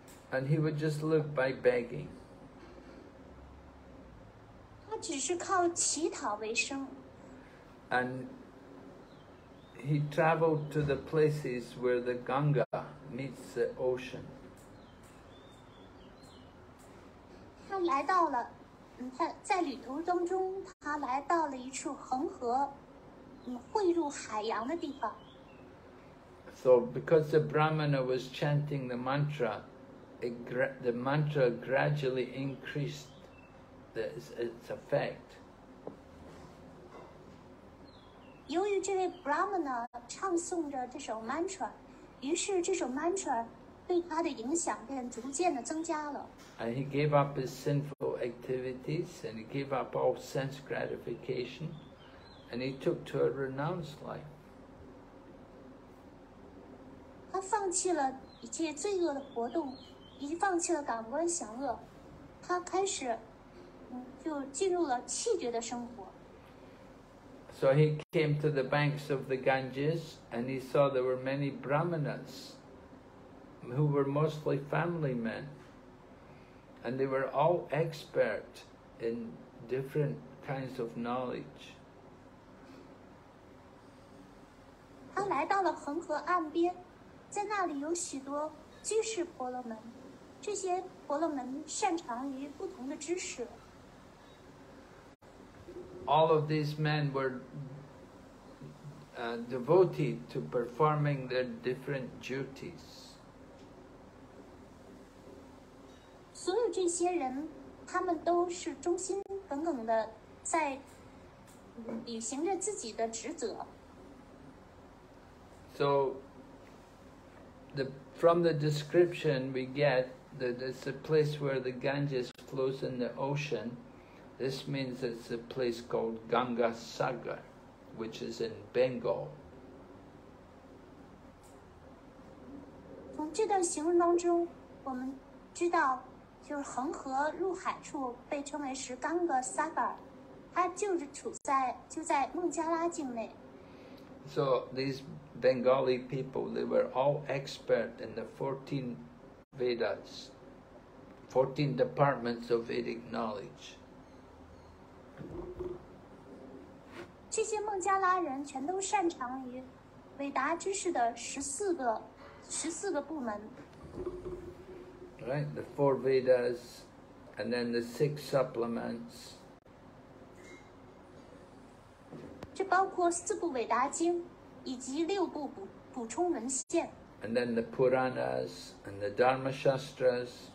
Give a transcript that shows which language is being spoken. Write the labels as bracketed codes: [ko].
[en] And he would just live by begging. [zh] 他只是靠乞讨为生。 [en] And he traveled to the places where the Ganga meets the ocean. [zh] 他来到了，他在旅途当中，他来到了一处恒河，汇入海洋的地方。 [en] So because the Brahmana was chanting the mantra, the mantra gradually increased its effect. [zh] 由于这位 Brahmana 唱诵着这首 mantra, 于是这首 mantra 对他的影响便逐渐的增加了。 [en] And he gave up his sinful activities, and he gave up all sense gratification, and he took to a renounced life. [zh] 他放弃了一切罪恶的活动，也放弃了感官享乐，他开始就进入了弃绝的生活。 [en] So he came to the banks of the Ganges, and he saw there were many Brahmanas, who were mostly family men. And they were all expert in different kinds of knowledge. [zh] 他来到了恒河岸边，在那里有许多居士婆罗门，这些婆罗门擅长于不同的知识。 [en] All of these men were devoted to performing their different duties. [zh] 所有这些人，他们都是忠心耿耿的在履行着自己的职责。 [en] So, from the description we get that it's a place where the Ganges flows in the ocean. This means it's a place called Ganga Sagar, which is in Bengal. [zh] 从这段形容当中，我们知道，就是恒河入海处被称为是 Ganga Sagar， 它就是就在孟加拉境内。 [en] So these Bengali people, they were all expert in the 14 Vedas, 14 departments of Vedic knowledge. [zh] 这些孟加拉人全都擅长于伟达知识的十四个部门。 [en] Right, the four Vedas, and then the six supplements. [zh] 这包括四部伟达经。以及六部补充文献。 [en] And then the Puranas and the Dharma Shastras.